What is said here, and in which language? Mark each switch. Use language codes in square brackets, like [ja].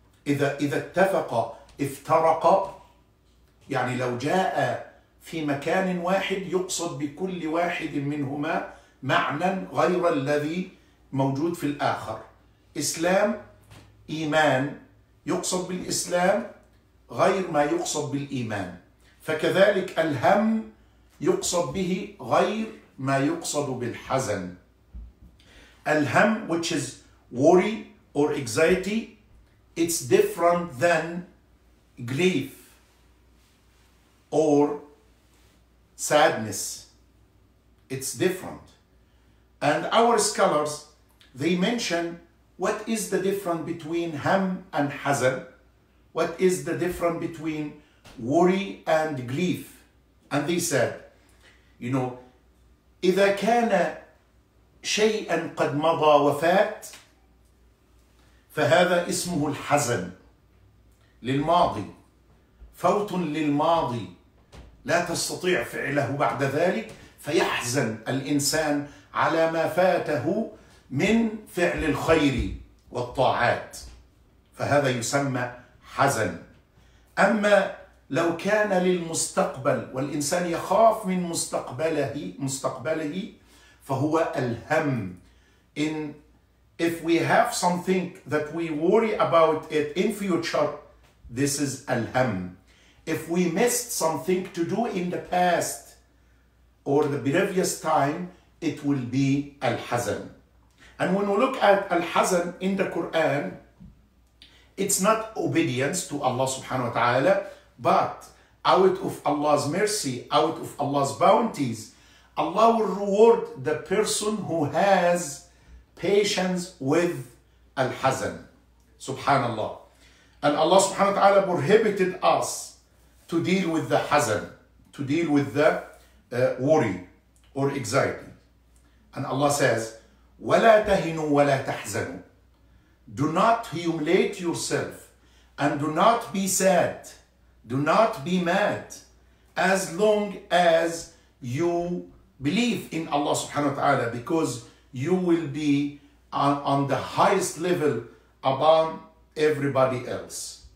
[ar] إذا اتفقا افترقا، يعني لو جاء في مكان واحد يقصد بكل واحد منهما معنى غير الذي موجود في الآخر. إسلام إيمان، يقصد بالإسلام غير ما يقصد بالإيمان. فكذلك الهم يقصد به غير ما يقصد بالحزن. [en] الهم, which is worry or anxiety, it's different than grief or sadness. It's different. And our scholars, they mention, what is the difference between ham and hazan? What is the difference between worry and grief? And they said, you know, [ar] إذا كان شيئاً قد مضى وفات فهذا اسمه الحزن للماضي، فوت للماضي لا تستطيع فعله بعد ذلك، فيحزن الإنسان على ما فاته من فعل الخير والطاعات، فهذا يسمى حزن. أما لو كان للمستقبل، والإنسان يخاف من مستقبله، فهو الهم. [en] إن if we have something that we worry about it in future, this is الهم. If we missed something to do in the past or the previous time, it will be الحزن. And when we look at الحزن in the Quran, it's not obedience to Allah subhanahu wa ta'ala, but out of Allah's mercy, out of Allah's bounties, Allah will reward the person who has patience with الحزن. Subhanallah. And Allah subhanahu wa ta'ala prohibited us to deal with the hazan, to deal with the worry or anxiety. And Allah says, [ar] وَلَا تَهِنُوا وَلَا تَحْزَنُوا. [en] Do not humiliate yourself and do not be sad. Do not be mad as long as you believe in Allah subhanahu wa ta'ala, because you will be on the highest level above everybody else.